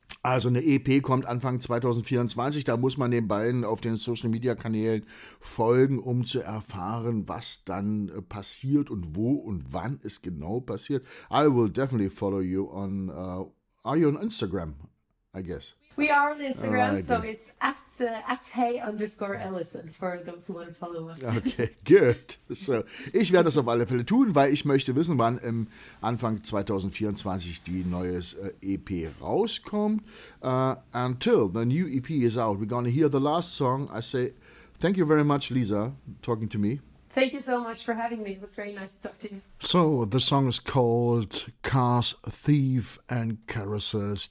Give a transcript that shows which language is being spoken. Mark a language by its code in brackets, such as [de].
[de] Also eine EP kommt Anfang 2024, da muss man den beiden auf den Social Media Kanälen folgen, um zu erfahren, was dann passiert und wo und wann es genau passiert. [en] I will definitely follow you on, are you on Instagram, I guess? We are on Instagram, so it's at @hey_Allison for those who want to follow us. Okay, good. [de] So, ich werde das auf alle Fälle tun, weil ich möchte wissen, wann im Anfang 2024 die neue EP rauskommt. [en] Until the new EP is out, we're going to hear the last song. I say thank you very much, Lisa, talking to me. Thank you so much for having me. It was very nice to talk to you. So, the song is called Cars, Thief and Carousels.